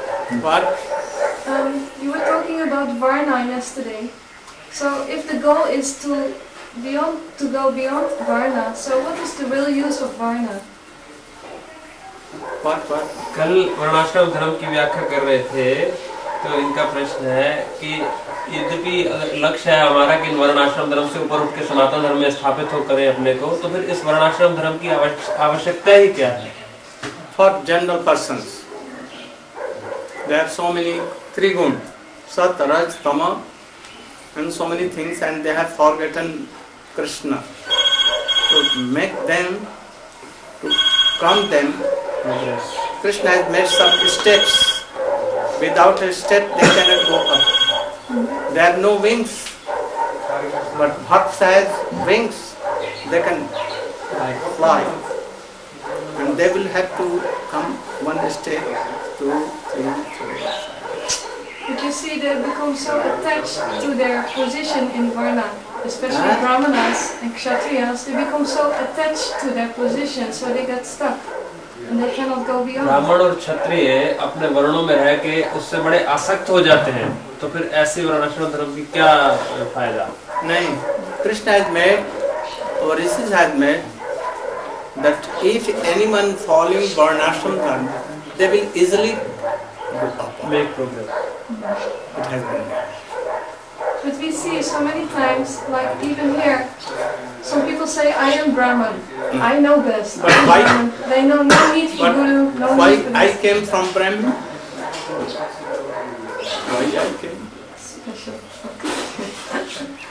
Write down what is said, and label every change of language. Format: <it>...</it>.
<en>You were talking about Varna yesterday. So if the goal is to go beyond Varna, so what is the real use of Varna? What?</en> <hi>कल वर्णाश्रम धर्म की व्याख्या कर रहे थे तो इनका प्रश्न है कि यद्यपि लक्ष्य है हमारा कि वर्णाश्रम धर्म से ऊपर उठ के सनातन धर्म में स्थापित हो करें अपने को तो फिर इस वर्णाश्रम धर्म की आवश्यकता ही क्या है</hi> <en>For general person there are so many त्रिगुण सत रज तम and so many things and they have forgotten Krishna to make them to come them Krishna has made some steps without a step they cannot go up They have no wings, but bhakta has wings, they can fly. And they will have to come one step, two, three, four. But you see, they become so attached to their position in Varna, especially Brahmanas and Kshatriyas, they become so attached to their position, so they get stuck.</en> <hi>ब्राह्मण और क्षत्रिय अपने वर्णों में रह के उससे बड़े आसक्त हो जाते हैं तो फिर ऐसे वर्णाश्रम धर्म की क्या फायदा</hi> <en>नहीं Krishna has made और rishi has made that if anyone following varnashrama dharma they will easily make progress it has been But we see so many times, like even here, some people say, I am Brahman, I know best. But why? They know no need for Guru, no why need for this. I came from Brahman? Why I came?</en>